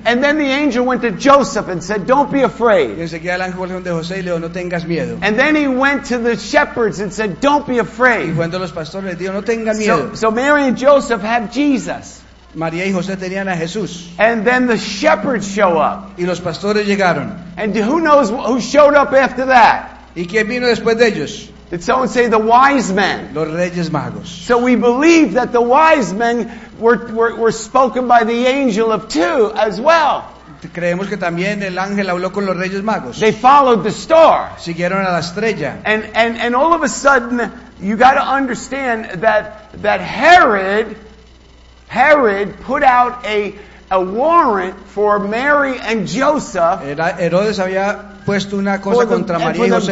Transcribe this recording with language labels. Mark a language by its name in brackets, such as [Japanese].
[English] And then the angel went to Joseph and said, don't be afraid. [Spanish] Y enseguida el ángel fue donde José y le dijo, no tengas miedo. [English] And then he went to the shepherds and said, don't be afraid. [Spanish] Y cuando los pastores le dijo, no tengas miedo. [English] So Mary and Joseph have Jesus. [Spanish] María y José tenían a Jesús. [English] And then the shepherds show up. [Spanish] Y los pastores llegaron. [English] And who knows who showed up after that? [Spanish] ¿Y quién vino después de ellos? [English] Did someone say the wise men? [Spanish] Los reyes magos. [English] So we believe that the wise men were spoken by the angel of two as well. [Spanish] Creemos que también el ángel habló con los reyes magos. [English] They followed the star. [Spanish] Siguieron a la estrella. [English] And all of a sudden, you got to understand that Herod put out a warrant for Mary and Joseph. [Spanish] Herodes había puesto una cosa contra María y José.